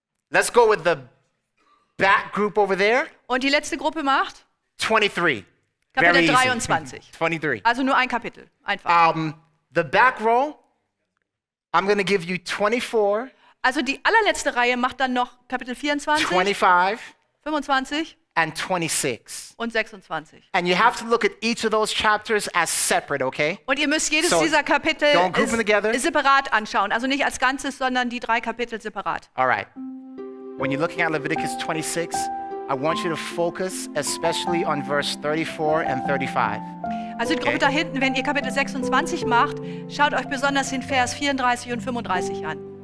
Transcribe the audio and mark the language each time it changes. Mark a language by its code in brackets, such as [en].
[en] Let's go with the back group over there. [de] Und die letzte Gruppe macht? [en] 23. [de] Kapitel 23. 23. Also nur ein Kapitel, einfach. [en] The back row, I'm going to give you 24. [de] Also die allerletzte Reihe macht dann noch Kapitel 24. 25. 25. [en] and 26. [de] Und 26. [en] And you have to look at each of those chapters as separate, okay? [de] Und ihr müsst jedes dieser Kapitel separat anschauen, also nicht als Ganzes, sondern die drei Kapitel separat. [en] All right. When you're looking at Leviticus 26, I want you to focus especially on verse 34 and 35. [de] Also okay? Da hinten, wenn ihr Kapitel 26 macht, schaut euch besonders den Vers 34 und 35 an.